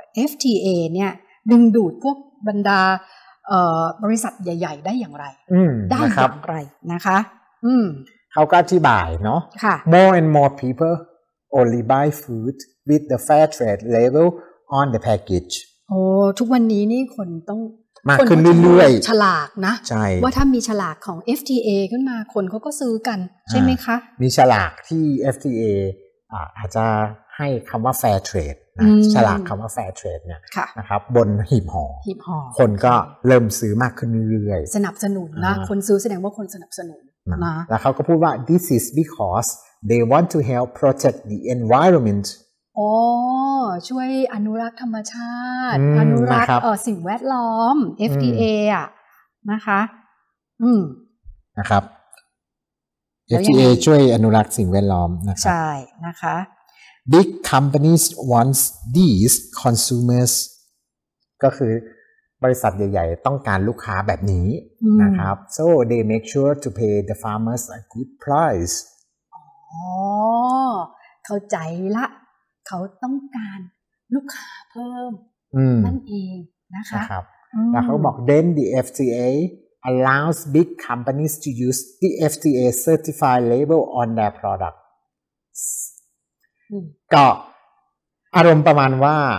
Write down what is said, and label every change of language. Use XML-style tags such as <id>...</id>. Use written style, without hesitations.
<th>FTA เนี่ยดึงดูดพวกบรรดาบริษัทใหญ่ๆได้อย่างไรได้อย่ างไรนะคะ เขาก็อธิบายเนา ะ</th> <en>More and more people only buy food with the fair trade label on the package</en> <th>โอ้ทุกวันนี้นี่คนต้อง มากขึ้นเรื่อยๆ ฉลากนะ ใช่ ว่าถ้ามีฉลากของ FTA ขึ้นมาคนเขาก็ซื้อกันใช่ไหมคะ มีฉลากที่ FTA อาจจะให้คำว่า Fair Trade นะฉลากคำว่า Fair Trade เนี่ย ะ นะครับบนหีบห่อ หีบห่อ คนก็เริ่มซื้อมากขึ้นเรื่อย ๆสนับสนุนนะคนซื้อแสดงว่าคนสนับสนุนนะ แล้วเขาก็พูดว่า</th> <en>This is because they want to help protect the environment</en> <th>โอ้ช่วยอนุรักษ์ธรรมชาติอนุ รัก ษ์สิ่งแวดล้อม FTA อ่ะนะคะ นะครับ FTA ช่วยอนุรักษ์สิ่งแวดล้อมนะครับ ใช่นะคะ</th> <en>Big companies wants these consumers</en> <th>ก็คือบริษัทใหญ่ๆต้องการลูกค้าแบบนี้ นะครับ</th> <en>So they make sure to pay the farmers a good price</en> <th>อ๋อเข้าใจละเขาต้องการลูกค้าเพิ่ ม นั่นเองนะคะ ครับแล้วเขาบอก</th> <en>then the FTA allows big companies to use the FTA certified label on their product</en> <th>ก็อารมณ์ประมาณว่า</th>